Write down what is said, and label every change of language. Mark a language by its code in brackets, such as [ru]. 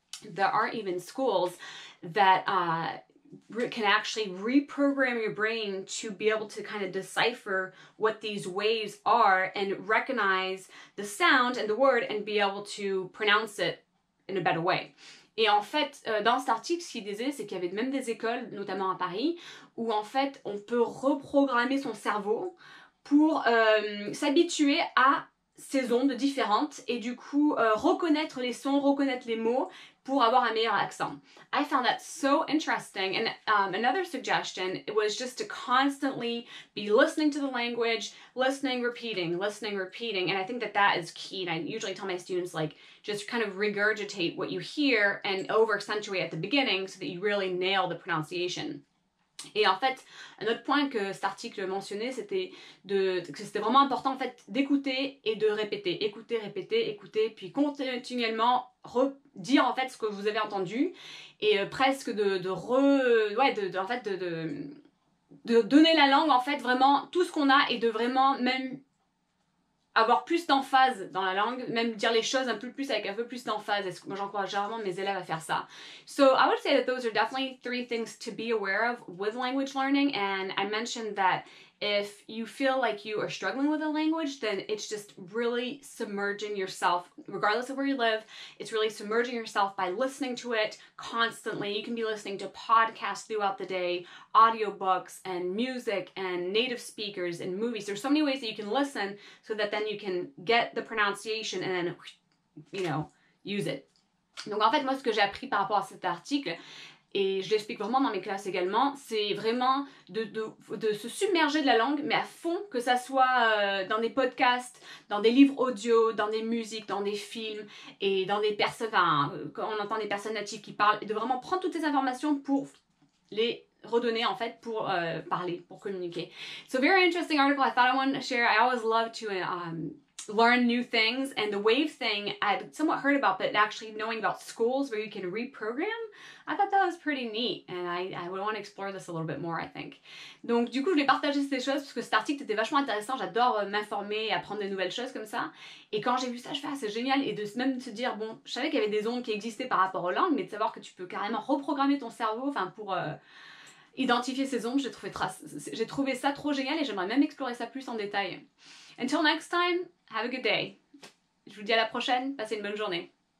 [en] There are even schools that can actually reprogram your brain to be able to kind of decipher what these waves are and recognize the sound and the word and be able to pronounce it in a better way. [fr] Et en fait, dans cet article, ce qu'il disait, c'est qu'il y avait même des écoles, notamment à Paris, où en fait, on peut reprogrammer son cerveau pour s'habituer à ces ondes différentes et du coup, reconnaître les sons, reconnaître les mots pour avoir un meilleur accent. [en] I found that so interesting. And another suggestion, it was just to constantly be listening to the language, listening, repeating. And I think that that is key. And I usually tell my students, like, just kind of regurgitate what you hear and over-accentuate at the beginning so that you really nail the pronunciation. [fr] Et en fait, un autre point que cet article mentionnait, c'était de, que c'était vraiment important en fait, d'écouter et de répéter. Écouter, répéter, écouter, puis continuellement redire en fait ce que vous avez entendu et presque de donner la langue en fait vraiment tout ce qu'on a et de vraiment même avoir plus d'emphase dans la langue, même dire les choses un peu plus avec un peu plus d'emphase. Moi, j'encourage généralement mes élèves à faire ça. [en] So, I would say that those are definitely three things to be aware of with language learning. And I mentioned that if you feel like you are struggling with a language, then it's just really submerging yourself, regardless of where you live. It's really submerging yourself by listening to it constantly. You can be listening to podcasts throughout the day, audiobooks and music and native speakers and movies. There's so many ways that you can listen so that then you can get the pronunciation and then, you know, use it. [fr] Donc en fait, moi, ce que j'ai appris par rapport à cet article, et je l'explique vraiment dans mes classes également, c'est vraiment de se submerger de la langue, mais à fond, que ça soit dans des podcasts, dans des livres audio, dans des musiques, dans des films, et dans des personnes, enfin, quand on entend des personnes natives qui parlent, et de vraiment prendre toutes ces informations pour les redonner, en fait, pour parler, pour communiquer. [en] So, very interesting article I thought I wanted to share. I always love to learn new things, and the wave thing I'd somewhat heard about, but actually knowing about schools where you can reprogram, I thought that was pretty neat, and I would want to explore this a little bit more, I think. [fr] Donc du coup, je voulais partager ces choses parce que cet article était vachement intéressant. J'adore m'informer et apprendre de nouvelles choses comme ça. Et quand j'ai vu ça, je fais, ah, c'est génial. Et de même se dire, bon, je savais qu'il y avait des ondes qui existaient par rapport aux langues, mais de savoir que tu peux carrément reprogrammer ton cerveau, enfin, pour identifier ces ondes, j'ai trouvé ça trop génial et j'aimerais même explorer ça plus en détail. [en] Until next time, have a good day. [fr] Je vous dis à la prochaine, passez une bonne journée.